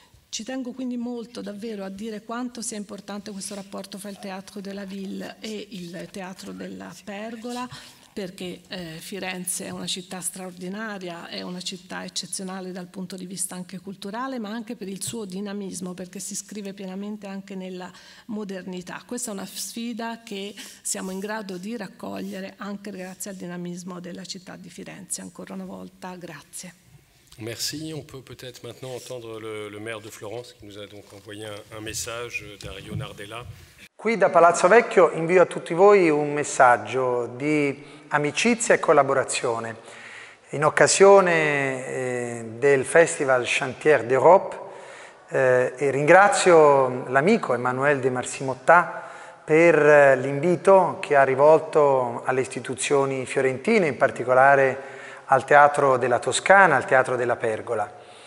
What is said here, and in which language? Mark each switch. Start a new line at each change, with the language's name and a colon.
Italian: Ci tengo quindi molto davvero a dire quanto sia importante questo rapporto fra il Teatro della Ville e il Teatro della Pergola, perché Firenze è una città straordinaria, è una città eccezionale dal punto di vista anche culturale, ma anche per il suo dinamismo, perché si scrive pienamente anche nella modernità. Questa è una sfida che siamo in grado di raccogliere anche grazie al dinamismo della città di Firenze. Ancora una volta, grazie.
French: Merci. On peut peut-être maintenant entendre le maire de Florence qui nous a donc envoyé un message, Dario Nardella.
Italian: Qui da Palazzo Vecchio invio a tutti voi un messaggio di amicizia e collaborazione. In occasione del Festival Chantier d'Europe e ringrazio l'amico Emmanuel de Marsimottà per l'invito che ha rivolto alle istituzioni fiorentine, in particolare al Teatro della Toscana, al Teatro della Pergola.